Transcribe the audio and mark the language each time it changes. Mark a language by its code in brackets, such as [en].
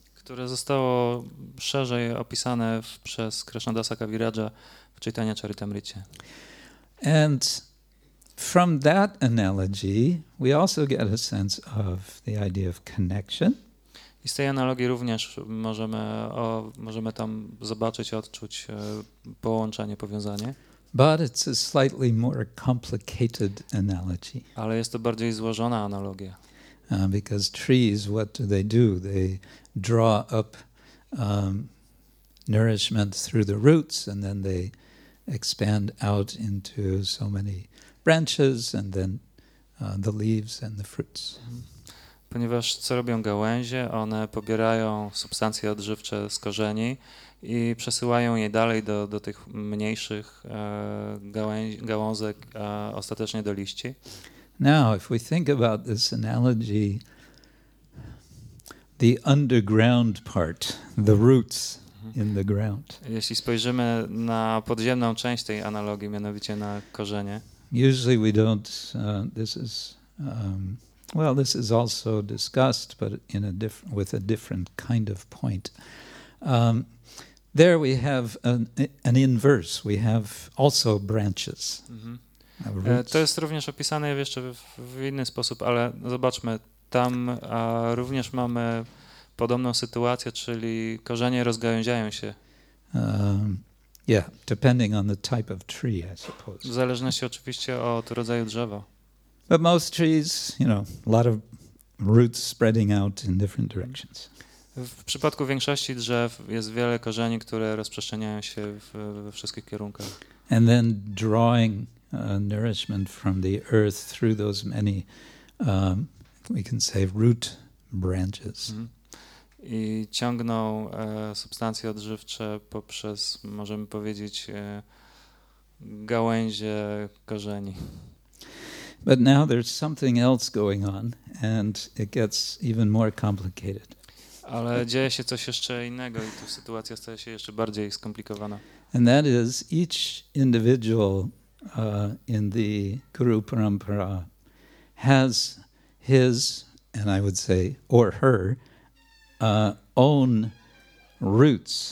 [pl] Które zostało szerzej opisane przez Krishnadasa Kaviraja w Chaitanya Charitamrita. [en] And from that analogy, we also get a sense of the idea of connection. [pl] I z tej analogii również możemy tam zobaczyć, odczuć połączenie, powiązanie. [en] But it's a slightly more complicated analogy. [pl] Ale jest to bardziej złożona analogia. [en] Because trees, what do? They draw up nourishment through the roots and then they expand out into so many branches and then the leaves and the fruits. [pl] Ponieważ co robią gałęzie? One pobierają substancje odżywcze z korzeni i przesyłają je dalej do tych mniejszych gałązek, a ostatecznie do liści. [en] Now, if we think about this analogy, the underground part, the roots in the ground. [pl] Jeśli spojrzymy na podziemną część tej analogii, mianowicie na korzenie. [en] Usually we don't, this is, well, this is also discussed, but in a different, with a different kind of point. There we have an inverse. We have also branches. [pl] To jest również opisane jeszcze w inny sposób, ale zobaczmy tam również mamy podobną sytuację, czyli korzenie rozgałęziają się. [en] Yeah, depending on the type of tree, I suppose. [pl] W zależności oczywiście od rodzaju drzewa. [en] But most trees, you know, a lot of roots spreading out in different directions. [pl] W przypadku większości drzew jest wiele korzeni, które rozprzestrzeniają się we wszystkich kierunkach. [en] And then drawing nourishment from the earth through those many, we can say, root branches. Mm. [pl] I ciągną substancje odżywcze poprzez, możemy powiedzieć, gałęzie korzeni. [en] But now there's something else going on, and it gets even more complicated. [pl] Ale dzieje się coś jeszcze innego i ta sytuacja staje się jeszcze bardziej skomplikowana. [en] And that is each individual in the Guru Parampara has his, and I would say, or her, own roots.